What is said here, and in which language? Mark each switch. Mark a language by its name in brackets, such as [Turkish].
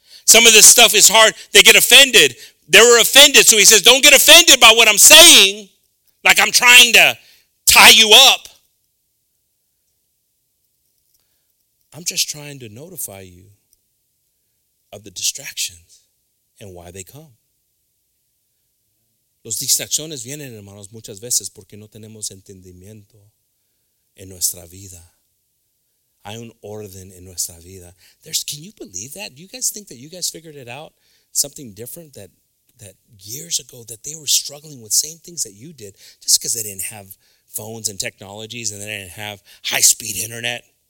[English] Some of this stuff is hard. They get offended. They were offended. So he says, don't get offended by what I'm saying, like I'm trying to tie you up. I'm just trying to notify you of the distraction. And why they come. [Spanish] Los distracciones vienen, hermanos, muchas veces porque no tenemos entendimiento en nuestra vida. Hay un orden en nuestra vida. [English] Can you believe that? Do you guys think that you guys figured it out? Something different that years ago that they were struggling with same things that you did just because they didn't have phones and technologies and they didn't have high-speed internet.